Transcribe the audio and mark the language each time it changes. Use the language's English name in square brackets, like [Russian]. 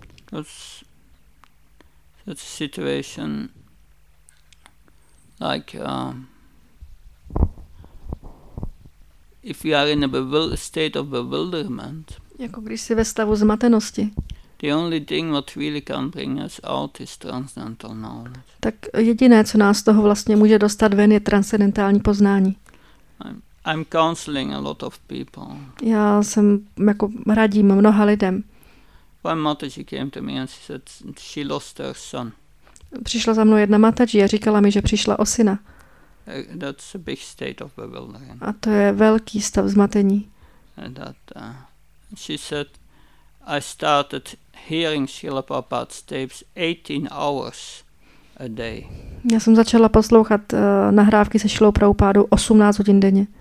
[English] That's a situation like if you are in a state of bewilderment. [Czech] Jako když jsi ve stavu zmatenosti. [English] The only thing what really can bring us out is transcendental knowledge. [Czech] Tak jediné, co nás z toho vlastně může dostat ven, je transcendentální poznání. [English] I'm counseling a lot of people. [Czech] Já jsem jako radím mnoha lidem. [English] One Mataji came to me and she said she lost her son. [Czech] Přišla za mnou jedna Mataji a říkala mi, že přišla o syna. [English] That's a big state of bewilderment. [Czech] A to je velký stav zmatení. [English] And that, she said, I started hearing Srila Prabhupada's tapes 18 hours. A day. [Czech] Já jsem začala poslouchat nahrávky se Šilou Prabhupádou 18 hodin denně.